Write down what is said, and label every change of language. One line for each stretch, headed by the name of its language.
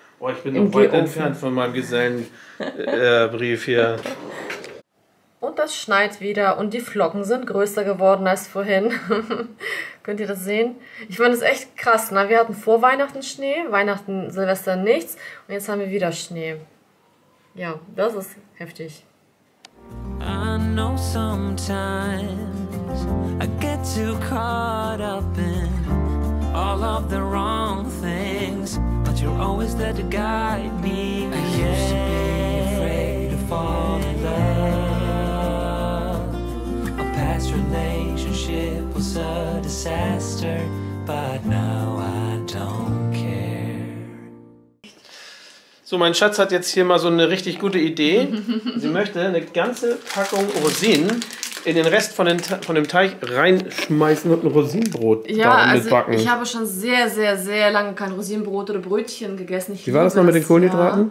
German: Oh, ich bin noch weit entfernt von meinem Gesellenbrief hier. Und das schneit wieder und die Flocken sind größer geworden als vorhin. Könnt ihr das sehen? Ich finde es echt krass. Ne? Wir hatten vor Weihnachten Schnee, Weihnachten, Silvester nichts und jetzt haben wir wieder Schnee. Ja, das ist heftig.
English: I know sometimes I get too caught up in all of the wrong things, but you're always there to guide me. I used to be afraid to fall in love. Relationship was a disaster, but now I don't care.
German: So, mein Schatz hat jetzt hier mal so eine richtig gute Idee. Sie möchte eine ganze Packung Rosinen in den Rest von dem Teig reinschmeißen und ein Rosinenbrot backen. Ich habe schon sehr, sehr, sehr lange kein Rosinenbrot oder Brötchen gegessen. Wie war das noch mit den Kohlenhydraten?